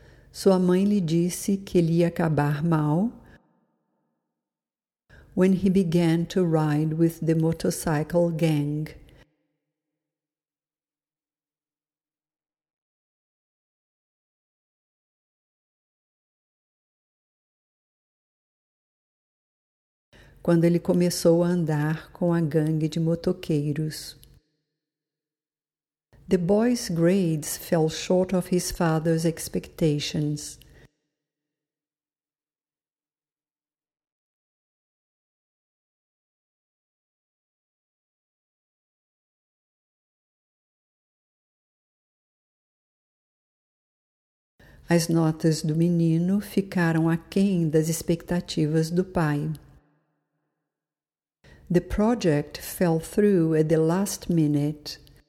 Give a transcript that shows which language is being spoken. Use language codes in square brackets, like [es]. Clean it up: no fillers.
[pt] Sua mãe lhe disse que ele ia acabar mal. [en] When he began to ride with the motorcycle gang. [pt] Quando ele começou a andar com a gangue de motoqueiros. [en] The boy's grades fell short of his father's expectations. [pt] As notas do menino ficaram aquém das expectativas do pai. [en] The project fell through at the last minute.